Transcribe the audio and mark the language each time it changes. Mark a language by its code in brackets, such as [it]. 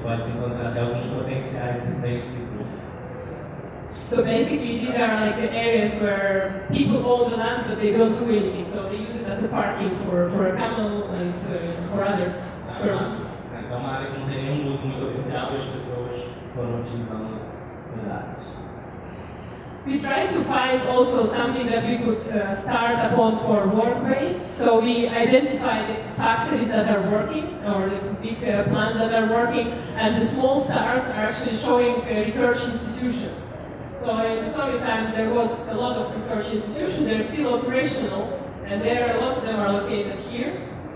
[pt] pode se encontrar até alguns potenciais diferentes de curso. [en] So basically these are like the areas where people own the land but they don't do anything. So they use it as a parking for a camel and for others purposes. [pt] Então é uma área que não tem nenhum uso muito oficial para as pessoas. [en] We tried to find also something that we could start upon for workplace. So we identified the factories that are working, or the big plants that are working, and the small stars are actually showing research institutions. So in the Soviet time there was a lot of research institutions, they're still operational, and there a lot of them are located here.